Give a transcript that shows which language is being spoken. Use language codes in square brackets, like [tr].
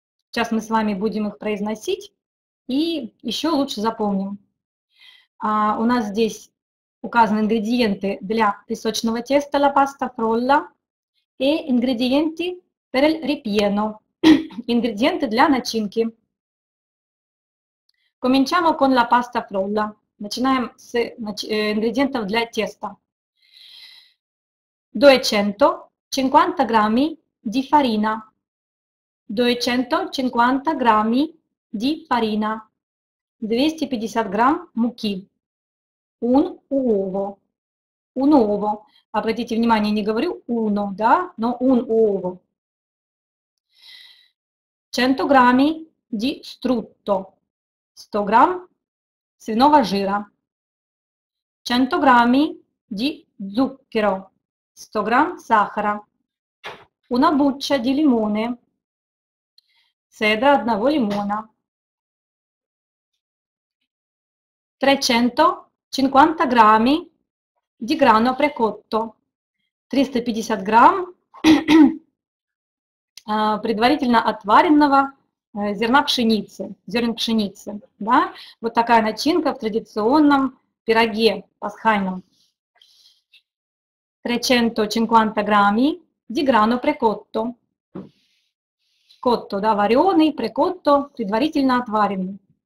[ru] Сейчас мы с вами будем их произносить и еще лучше запомним. У нас здесь указаны ингредиенты для песочного теста la pasta frolla и ингредиенты [it] per il ripieno. [ru] Ингредиенты для начинки. [it] Cominciamo con la pasta frolla. [ru] Начинаем с ингредиентов для теста. 250 граммов [it] di farina. [ru] 250 граммов [it] di farina. [ru] 250 грамм муки. [it] Un uovo. Un uovo. [ru] Обратите внимание, не говорю uno, да, но un uovo. 100 грамм [it] di strutto. [ru] 100 грамм свиного жира. 100 грамм [it] di zucchero. [ru] 100 грамм сахара. [it] Una buccia di limone. [ru] Цедра одного лимона. 350 грамм [it] di grano precotto. [ru] 350 грамм предварительно отваренного зерна пшеницы, зерен пшеницы, да, вот такая начинка в традиционном пироге пасхальном. 350 грамм [it] di grano precotto. [ru] Котто, да, вареный, прекотто, предварительно отваренный.